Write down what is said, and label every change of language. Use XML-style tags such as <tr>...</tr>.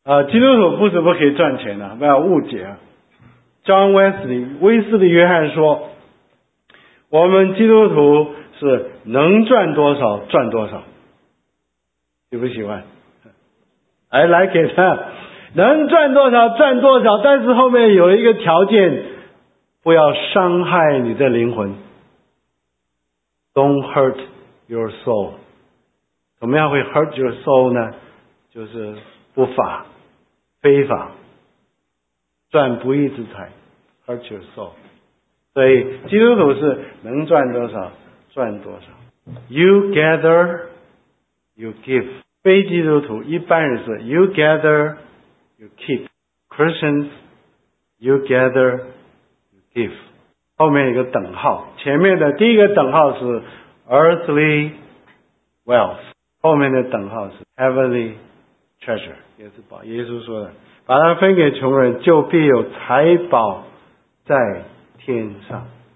<zh>基督徒不是不可以赚钱的，不要误解啊。John Wesley， 威斯利约翰说，我们基督徒是能赚多少赚多少，喜不喜欢？</zh> <en>I like it，</en> <zh>能赚多少赚多少，但是后面有一个条件，不要伤害你的灵魂。</zh> <en>Don't hurt your soul。</en> <zh>怎么样会</zh> <en>hurt your soul</en> <zh>呢？就是不法非法赚不义之财，</zh> <en>hurt your soul。</en> <zh>所以基督徒是能赚多少赚多少，</zh> <en>You gather you give。</en> <zh>非基督徒一般人是</zh> <en>You gatherYou keep. Christians, you gather, you give.</en> <zh>后面一个等号，前面的第一个等号是</zh> <en>earthly wealth，</en> <zh>后面的等号是</zh> <en>heavenly treasure，</en> <zh>也是宝。耶稣说的，把它分给穷人，就必有财宝在天上。</zh>